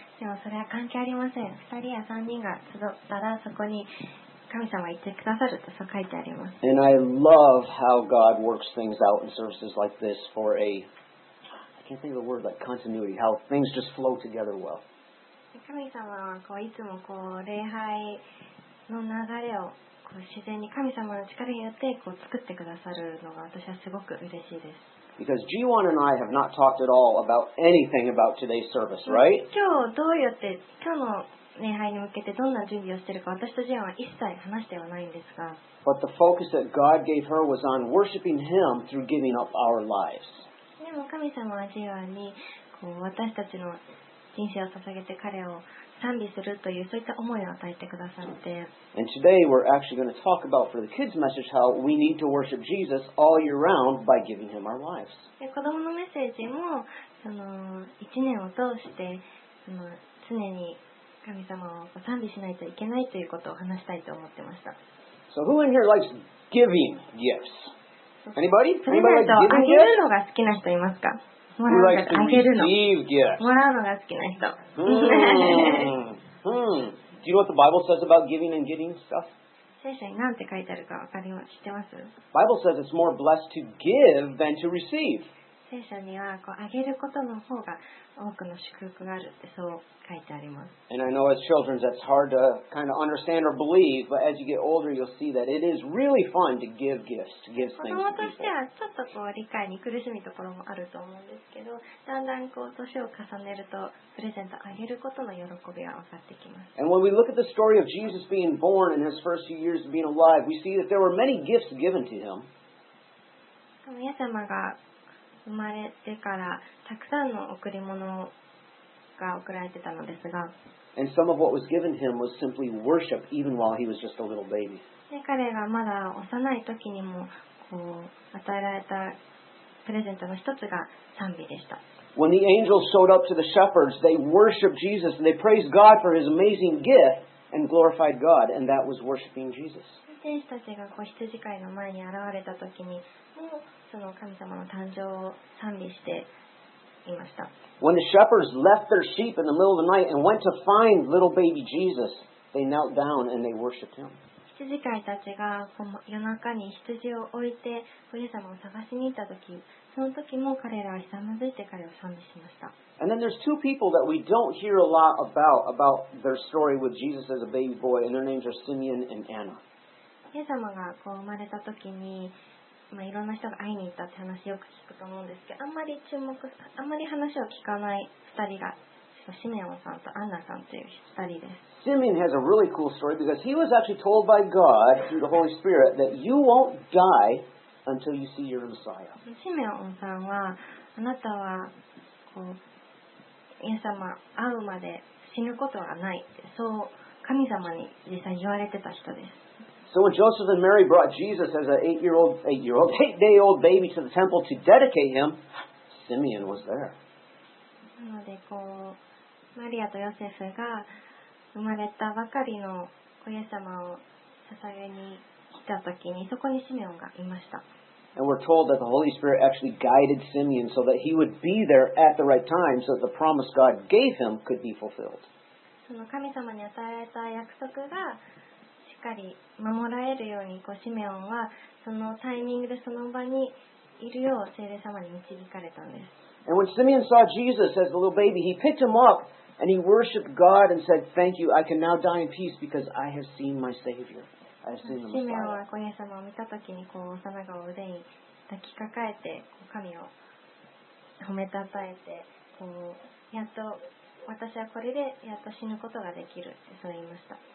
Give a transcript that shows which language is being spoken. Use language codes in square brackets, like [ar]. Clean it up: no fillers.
[en] And I love how God works things out in services like this for a, I can't think of a word like continuity, how things just flow together well. [ja] 神様はこういつもこう礼拝の流れをこう自然に神様の力によってこう作ってくださるのが私はすごく嬉しいです。 [en] Because G1 and I have not talked at all about anything about today's service, right? [ja] 今日どうやって今日の礼拝に向けてどんな準備をしているか私と G1 は一切話してはないんですが。 [en] But the focus that God gave her was on worshiping Him through giving up our lives. [ja] でも神様は G1 にこう私たちの人生を捧げて彼を賛美するというそういった思いを与えてくださって。 [en] And today we're actually going to talk about for the kids' message how we need to worship Jesus all year round by giving Him our lives. [ja] 子供のメッセージも一年を通して常に神様を賛美しないといけないということを話したいと思ってました。 [en] So who in here likes giving gifts? Anybody? Anybody like giving gifts? [ja] あげるのが好きな人いますか？ [en] Who likes to receive gifts? [ja] もらうのが好きな人。 [en] Do you know what the Bible says about giving and getting stuff? [ja] 聖書に何て書いてあるか分かります。知ってます？ [en] Bible says it's more blessed to give than to receive. [ja] 聖書にはこうあげることの方が多くの祝福があるってそう書いてあります。 [en] And I know as children that's hard to kind of understand or believe, but as you get older you'll see that it is really fun to give gifts, to give things. [ja] 子供としてはちょっとこう理解に苦しむところもあると思うんですけど、だんだんこう年を重ねるとプレゼントあげることの喜びは分かってきます。 [en] And when we look at the story of Jesus being born in his first few years of being alive, we see that there were many gifts given to him. [ja] 神様が生まれてからたくさんの贈り物が贈られてたのですが、 [en] And some of what was given him was simply worship, even while he was just a little baby. [ja] で、彼がまだ幼い時にもこう与えられたプレゼントの一つが賛美でした。 [en] When the angels showed up to the shepherds, they worshiped Jesus and they praised God for his amazing gift and glorified God, and that was worshiping Jesus. [ja] 天使たちがこう羊飼いの前に現れた時にもうその神様の誕生を賛美していました。 [en] When the shepherds left their sheep in the middle of the night and went to find little baby Jesus, they knelt down and they worshipped him. [ja] 羊飼いたちが夜中に羊を置いてイエス様を探しに行った時、その時も彼らはひざまずいて彼を賛美しました。 [en] And then there's two people that we don't hear a lot about their story with Jesus as a baby boy, and their names are Simeon and Anna. [ja] イエス様がこう生まれた時に、まあ、いろんな人が会いに行ったって話よく聞くと思うんですけど、あんまり話を聞かない2人が、シメオンさんとアンナさんという2人です。 [en] Simeon has a really cool story because he was actually told by God through the Holy Spirit that you won't die until you see your Messiah. [ja] シメオンさんは、あなたは、こう、イエス様会うまで死ぬことはないそう神様に実際言われてた人です。 [en] So when Joseph and Mary brought Jesus as an eight-day-old baby to the temple to dedicate him, Simeon was there. [ja] なのでこうマリアとヨセフが生まれたばかりのイエス様を捧げに来た時にそこにシメオンがいました。 [en] And we're told that the Holy Spirit actually guided Simeon so that he would be there at the right time so that the promise God gave him could be fulfilled. [ja] その神様に与えられた約束がしっかり守られるようにこうシメオンはそのタイミングでその場にいるよう聖霊様に導かれたんです。 [en] And when Simeon saw Jesus as a little baby, he picked him up and he worshipped God and said, Thank you, I can now die in peace because I have seen my Savior. [ja] シメオはイエス様を見たときにこう幼子を腕に抱きかかえて神を褒めたたえてこうやっと私はこれでやっと死ぬことができるってそう言いました。